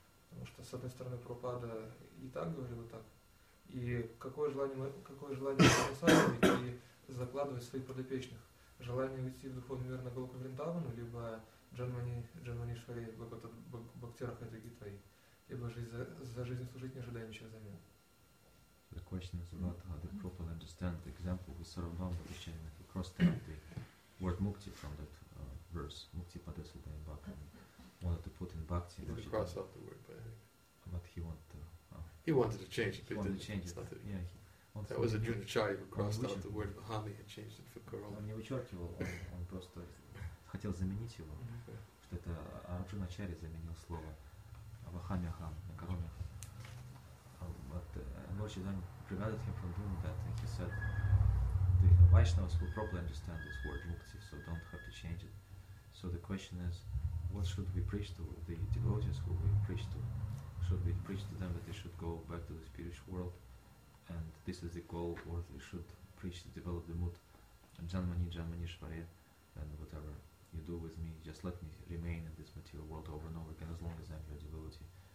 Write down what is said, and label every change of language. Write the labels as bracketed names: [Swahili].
[Russian] Потому что, с одной стороны, Прабхупада и так говорил, и так. И какое желание самосознавать и закладывать своих подопечных? Желание уйти в духовный мир на Голоку Вриндавана, либо Джанмани Швари, Бхактира Хайда Гитвай, либо за жизнь служить, не ожидая ничего взамен. [English] The question is about how the Prabhupada understand the example with Sarabhama Bhishana. He crossed out the word mukti from that verse, mukti padasada in bhakti, and wanted to put in bhakti. He didn't cross out the word, but anyway. But he wanted to... He wanted to change it, but he didn't. That was a Junacharya who crossed out the word Bahami and changed it for Karama. [Russian] Он не вычеркивал, он просто хотел заменить его, что это Арджуначари заменил слово Бахамиахам на Карамиахам. [English] But Murchi then prevented him from doing that, and he said, the Vaishnavas will properly understand this word mukti, so don't have to change it. So the question is, what should we preach to the devotees who we preach to? Should we preach to them that they should go back to the spiritual world, and this is the goal, or they should preach to develop the mood, Janmani, Janmani Shvare, and whatever you do with me, just let me remain in this material world over and over again, as long as I'm your devotee.